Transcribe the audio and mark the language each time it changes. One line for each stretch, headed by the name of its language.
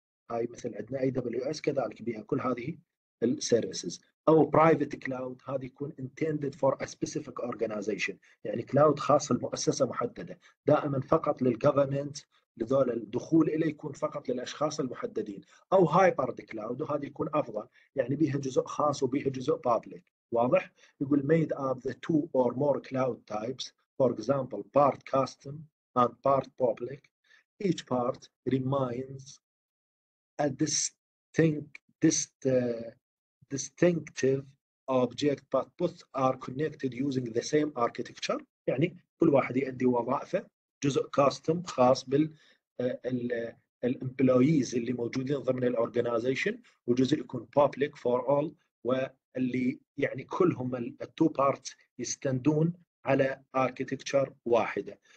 Arabic: هاي مثل عندنا AWS كذلك بها كل هذه السيرفيسز، أو
English: private cloud
Arabic: هذه يكون
English: intended for a specific organization،
Arabic: يعني cloud خاص بمؤسسة محددة، دائما فقط للgovernment، لذول الدخول إليه يكون فقط للأشخاص المحددين، أو
English: hybrid cloud
Arabic: وهذه يكون أفضل، يعني بيها جزء خاص وبيها جزء public، واضح؟ يقول
English: made up the two or more cloud types، for example part custom and part public, each part remains a distinctive object, but both are connected using the same architecture.
Arabic: يعني كل واحد يؤدي وظائفه جزء كاستم خاص بالإمبلويز اللي موجودين ضمن الأورجانيزيشن، وجزء يكون بابليك فور أول، واللي يعني كلهم التو بارت يستندون على أركيتكتشر واحدة.